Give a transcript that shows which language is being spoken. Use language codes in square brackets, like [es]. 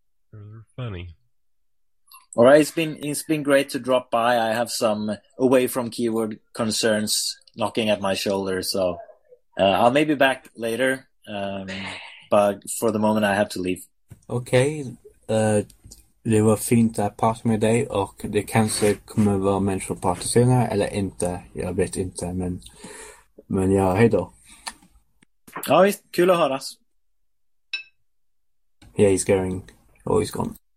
[en] They're funny. All right, it's been great to drop by. I have some away from keyword concerns knocking at my shoulder, so I'll maybe be back later. But for the moment, I have to leave. Okay. [sv] Det var fint att prata med dig, och det kanske kommer vara människor att prata senare eller inte, jag vet inte, men ja, hej då. Ja visst, kul att höras. [en] Yeah, he's going. Oh, he's gone.